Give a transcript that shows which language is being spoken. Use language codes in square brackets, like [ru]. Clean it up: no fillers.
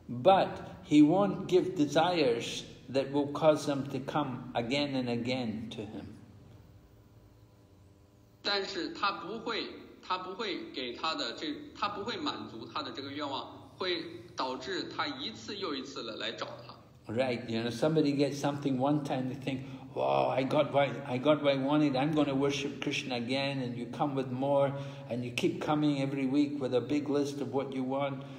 [en] But he won't give desires that will cause them to come again and again to him. [zh] 但是他不会给他的这他不会满足他的这个愿望。会导致他一次又一次的来找他。 [en] Right, you know, somebody gets something one time, they think, wow, I got what I wanted, I'm going to worship Krishna again, and you come with more, and you keep coming every week with a big list of what you want.